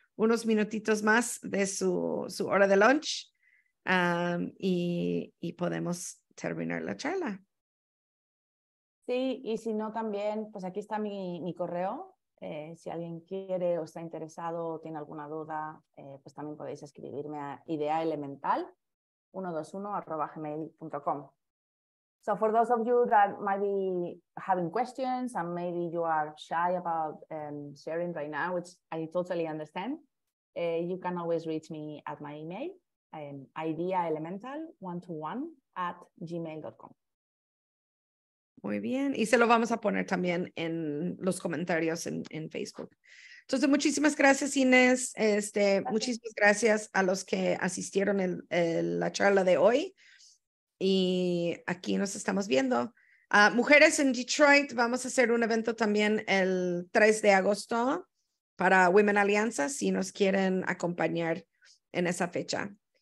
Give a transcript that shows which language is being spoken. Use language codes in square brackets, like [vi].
[es] unos minutitos más de su hora de lunch y podemos terminar la charla. Sí, y si no también, pues aquí está mi correo. Si alguien quiere o está interesado o tiene alguna duda, pues también podéis escribirme a ideaelemental121@gmail.com. [en] So for those of you that might be having questions and maybe you are shy about sharing right now, which I totally understand, you can always reach me at my email, ideaelemental121@gmail.com. [es] Muy bien, y se lo vamos a poner también en los comentarios en Facebook. Entonces, muchísimas gracias, Inés. Gracias. Muchísimas gracias a los que asistieron la charla de hoy. Y aquí nos estamos viendo. Mujeres en Detroit, vamos a hacer un evento también el 3 de agosto para Women Alianza, si nos quieren acompañar en esa fecha.